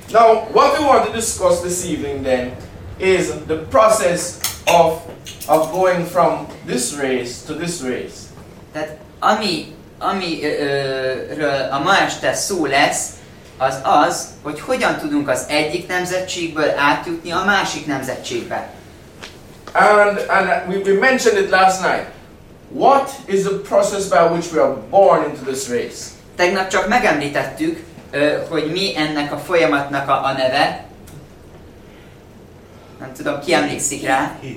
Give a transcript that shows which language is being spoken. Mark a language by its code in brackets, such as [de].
[en] Now, what we want to discuss this evening then is the process of going from this race to this race. [hu] Tehát amiről a ma este szó lesz, az, hogy hogyan tudunk az egyik nemzetségből átjutni a másik nemzetségbe. [en] And we mentioned it last night. What is the process by which we are born into this race? [hu] Tegnap csak megemlítettük, hogy mi ennek a folyamatnak a neve. nem tudom, ki emlékszik rá.